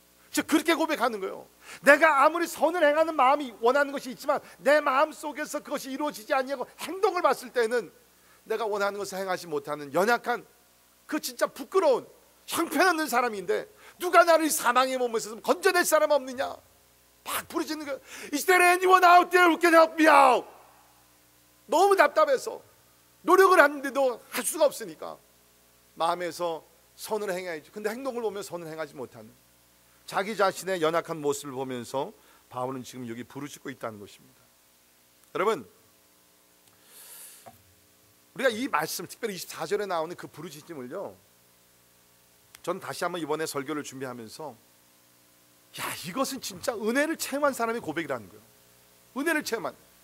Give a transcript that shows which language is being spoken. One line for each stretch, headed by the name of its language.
Korean: 즉 그렇게 고백하는 거예요. 내가 아무리 선을 행하는 마음이 원하는 것이 있지만 내 마음 속에서 그것이 이루어지지 않냐고 행동을 봤을 때는 내가 원하는 것을 행하지 못하는 연약한 그 진짜 부끄러운 형편없는 사람인데 누가 나를 사망의 몸에서 건져낼 사람 없느냐 막 부르짖는 거예요.
English: Is there anyone out there who can help me out?
Korean: 너무 답답해서 노력을 하는데도 할 수가 없으니까 마음에서 선을 행해야지. 근데 행동을 보면 선을 행하지 못하는 자기 자신의 연약한 모습을 보면서 바울은 지금 여기 부르짖고 있다는 것입니다. 여러분, 우리가 이 말씀 특별히 24절에 나오는 그 부르짖음을요 전 다시 한번 이번에 설교를 준비하면서 야, 이것은 진짜 은혜를 체험한 사람의 고백이라는 거예요. 은혜를 체험한.